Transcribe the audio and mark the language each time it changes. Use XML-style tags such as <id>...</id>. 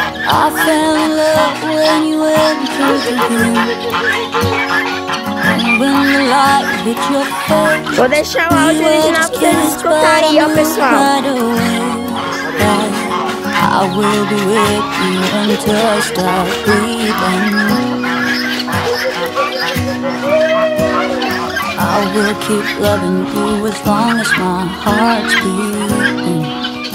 <en>I fell in love when you were drinking. When the light hit your face,</en> <pt>vou deixar o áudio original pra vocês escutarem, ó, pessoal.</pt> <en>Right. I will be with you until I start breathing. I will keep loving you as long as my heart's beating.</en>